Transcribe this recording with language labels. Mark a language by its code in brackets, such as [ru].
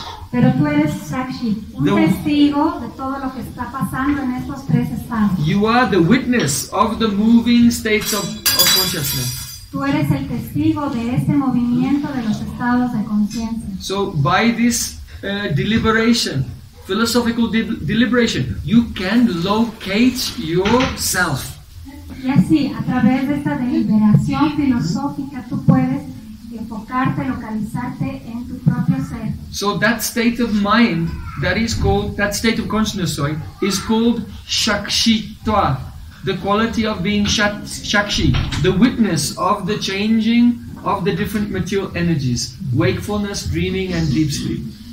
[es] Pero tú eres Shakshi, testigo de todo lo que está pasando en estos tres estados. [en] You are the witness of the moving states of consciousness. [es] Tú eres el testigo de este movimiento de los estados de conciencia. [en] So by this deliberation, philosophical deliberation, you can locate yourself. [es] Y así, a través de esta deliberación filosófica, tú puedes enfocarte, localizarte en tu propio ser. [en] So that state of mind, that state of consciousness, is called Shakshitva, the quality of being Shakshi, the witness of the changing of the different material energies, wakefulness, dreaming, and deep sleep.